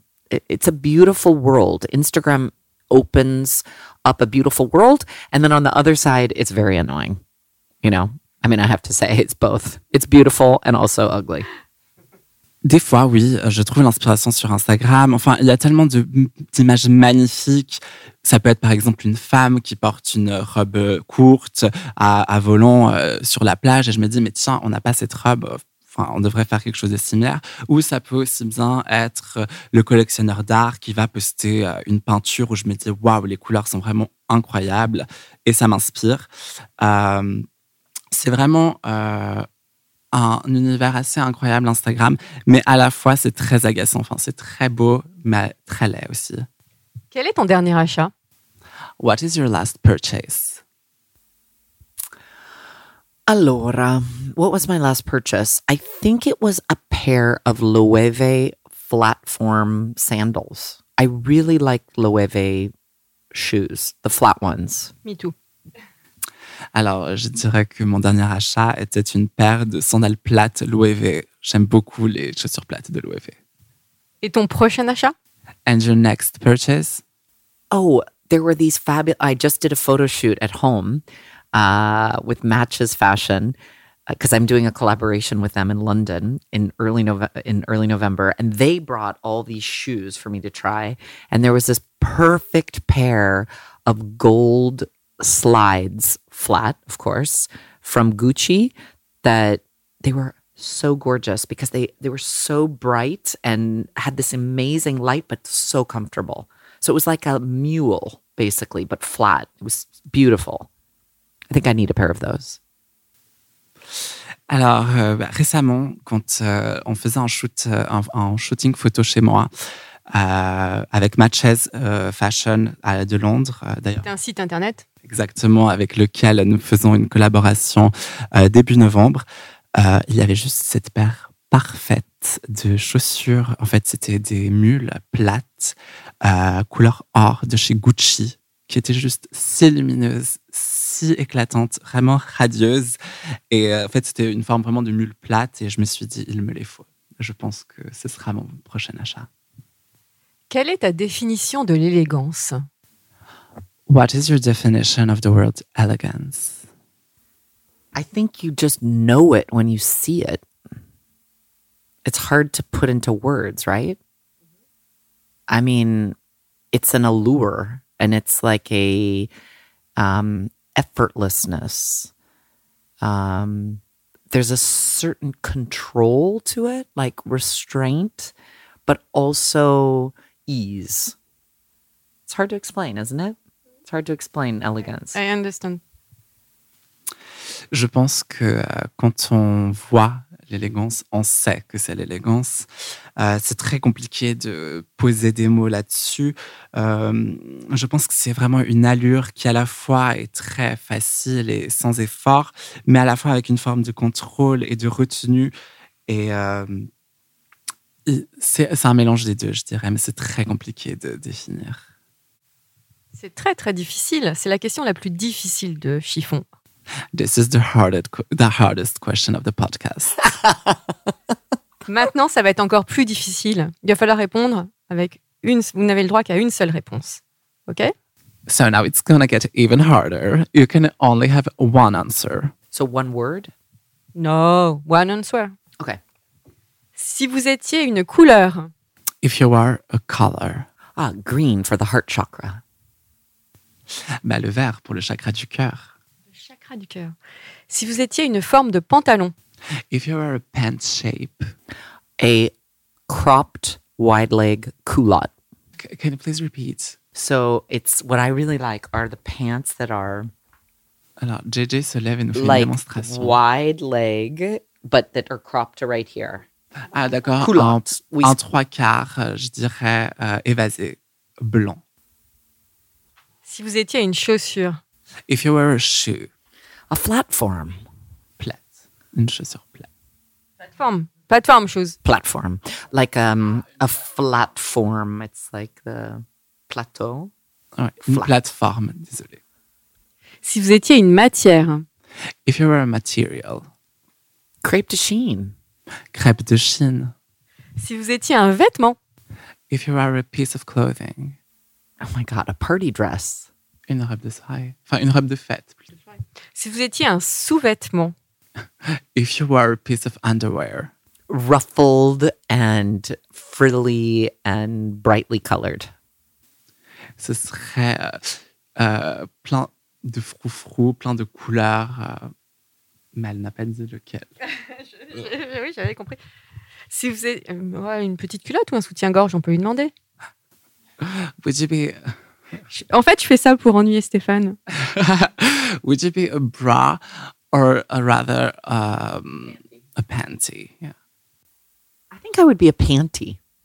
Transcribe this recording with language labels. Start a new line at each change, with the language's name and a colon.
English: It's a beautiful world. Instagram opens up a beautiful world. And then on the other side, it's very annoying. You know, I mean, I have to say it's both. It's beautiful and also ugly.
French: Des fois, oui, je trouve l'inspiration sur Instagram. Enfin, il y a tellement d'images magnifiques. Ça peut être, par exemple, une femme qui porte une robe courte à volant sur la plage. Et je me dis, mais tiens, on n'a pas cette robe. Enfin, on devrait faire quelque chose de similaire. Ou ça peut aussi bien être le collectionneur d'art qui va poster une peinture où je me dis, waouh, les couleurs sont vraiment incroyables. Et ça m'inspire. C'est vraiment un univers assez incroyable, Instagram, mais à la fois, c'est très agaçant. Enfin, c'est très beau, mais très laid aussi. Quel est ton dernier achat?
English: What is your last purchase? Allora, what was my last purchase? I think it was a pair of Loewe flat form sandals. I really like Loewe shoes, the flat ones. Me too.
French: Alors, je dirais que mon dernier achat était une paire de sandales plates Loewe. J'aime beaucoup les chaussures plates de Loewe. Et ton prochain achat?
English: And your next purchase? Oh, there were these fabulous... I just did a photo shoot at home with Matches Fashion because I'm doing a collaboration with them in London in early November. And they brought all these shoes for me to try. And there was this perfect pair of gold slides, flat, of course, from Gucci that they were... so gorgeous because they were so bright and had this amazing light, but so comfortable. So it was like a mule, basically, but flat. It was beautiful. I think I need a pair of those.
French: Alors, récemment, quand on faisait un shooting photo chez moi, avec Matches Fashion de Londres, d'ailleurs. C'est un site internet. Exactement, avec lequel nous faisons une collaboration début novembre. Il y avait juste cette paire parfaite de chaussures. En fait, c'était des mules plates, couleur or de chez Gucci, qui étaient juste si lumineuses, si éclatantes, vraiment radieuses. Et en fait, c'était une forme vraiment de mule plate. Et je me suis dit, il me les faut. Je pense que ce sera mon prochain achat. Quelle est ta définition de l'élégance?
English: What is your definition of the word elegance? I think you just know it when you see it. It's hard to put into words, right? I mean, it's an allure and it's like a effortlessness. There's a certain control to it, like restraint, but also ease. It's hard to explain, isn't it? It's hard to explain elegance. I understand.
French: Je pense que quand on voit l'élégance, on sait que c'est l'élégance. C'est très compliqué de poser des mots là-dessus. Je pense que c'est vraiment une allure qui à la fois est très facile et sans effort, mais à la fois avec une forme de contrôle et de retenue. Et c'est un mélange des deux, je dirais, mais c'est très compliqué de définir. C'est très, très difficile. C'est la question la plus difficile de Chiffon.
English: This is the hardest question of the podcast.
French: Maintenant, ça va être encore plus difficile. Il va falloir répondre avec une. Vous n'avez le droit qu'à une seule réponse, ok?
English: So now it's gonna get even harder. You can only have one answer. So one word? No, one answer. Okay.
French: Si vous étiez une couleur.
English: If you are a color. Ah, green for the heart chakra.
French: Bah, le vert pour le chakra du cœur. Du cœur. Si vous étiez une forme de pantalon.
English: If you were a pant shape. A cropped wide leg culotte. Can you please repeat? So it's what I really like are the pants that are.
French: Alors, JJ se lève et nous fait
English: like
French: une démonstration.
English: Wide leg, but that are cropped to right here.
French: Ah, d'accord. Culottes. En trois quarts, je dirais évasé, blanc. Si vous étiez une chaussure.
English: If you were a shoe. A platform.
French: Plate. Une chaussure plate.
English: Platform. Platform shoes. Platform. Like a flat form. It's like the plateau.
French: Ouais, flat. Une plateforme, désolé. Si vous étiez une matière.
English: If you were a material. Crêpe de Chine. Crêpe de Chine.
French: Si vous étiez un vêtement.
English: If you were a piece of clothing. Oh my God, a party dress.
French: Une robe de soirée. Enfin, une robe de fête. Si vous étiez un sous-vêtement.
English: If you were a piece of underwear. Ruffled and frilly and brightly colored.
French: Ce serait plein de frou-frou, plein de couleurs, mais elle n'a pas dit lequel. Oui, j'avais compris. Si vous êtes une petite culotte ou un soutien-gorge, on peut lui demander.
English: Would you be...
French: En fait, je fais ça pour ennuyer Stéphane.
English: Would you be a bra or a rather a panty? Yeah. I think I would be a panty.